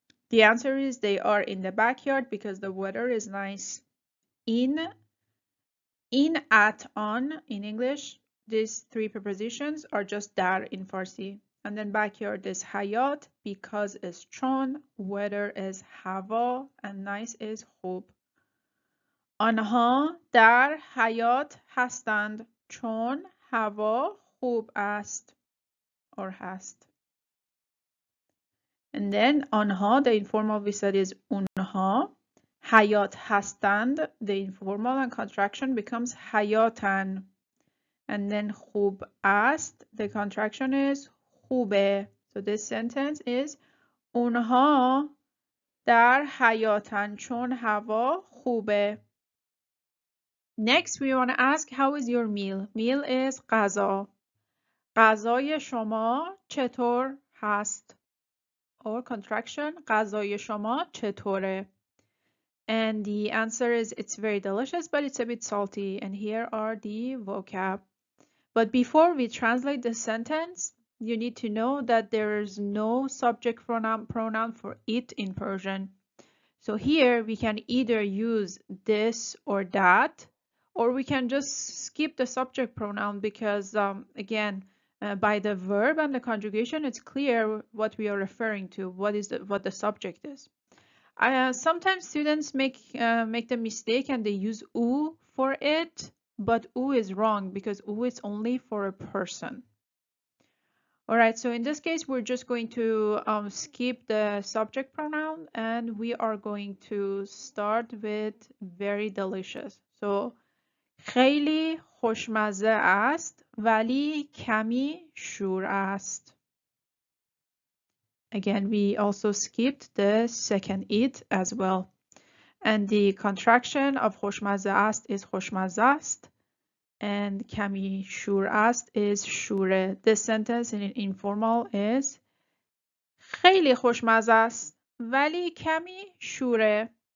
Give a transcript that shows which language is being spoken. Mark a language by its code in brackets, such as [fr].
[en] The answer is they are in the backyard because the weather is nice. In at on in English, these three prepositions are just dar in Farsi. And then backyard is hayat, because is chon, weather is hava, and nice is khub. [fa] آنها در حیات هستند چون هوا خوب است or هست. [en] And then آنها, the informal we said is اونها, [fa] حیات هستند, [en] the informal and contraction becomes حیاتن. And then خوب است, the contraction is خوبه. So this sentence is [fa] اونها در حیاتن چون هوا خوبه. [en] Next, we want to ask, how is your meal? Meal is [fa] غذا. غذای شما چطور هست? [en] Or contraction, [fa] غذای شما چطوره? [en] And the answer is, it's very delicious, but it's a bit salty. And here are the vocab. But before we translate the sentence, you need to know that there is no subject pronoun for it in Persian. So here, we can either use this or that. Or we can just skip the subject pronoun because, again, by the verb and the conjugation, it's clear what we are referring to, what the subject is. Sometimes students make the mistake and they use u for it, but u is wrong because u is only for a person. All right, so in this case, we're just going to skip the subject pronoun and we are going to start with very delicious. [fa] So خیلی خوشمزه است ولی کمی شور است. [en] Again, we also skipped the second it as well. And the contraction of خوشمزه است is خوشمزه است. [fa] And کمی شور است is شوره. [en] This sentence in informal is [fa] خیلی خوشمزه است ولی کمی شوره.